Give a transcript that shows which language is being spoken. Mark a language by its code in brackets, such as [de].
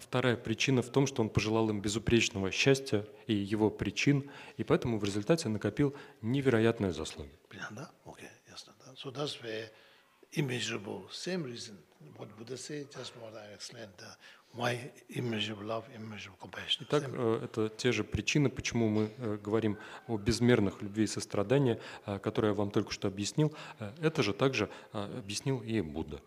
[ru] Вторая причина в том, что он пожелал им безупречного счастья и его причин, и поэтому в результате накопил невероятные заслуги. Понятно? Okay, ясно. [en] So that's where immeasurable, same reason, what Buddha said, just what I explained, why immeasurable love, immeasurable compassion. [ru] Итак, это те же причины, почему мы говорим о безмерных любви и сострадании, которые я вам только что объяснил. Это же также объяснил и Будда.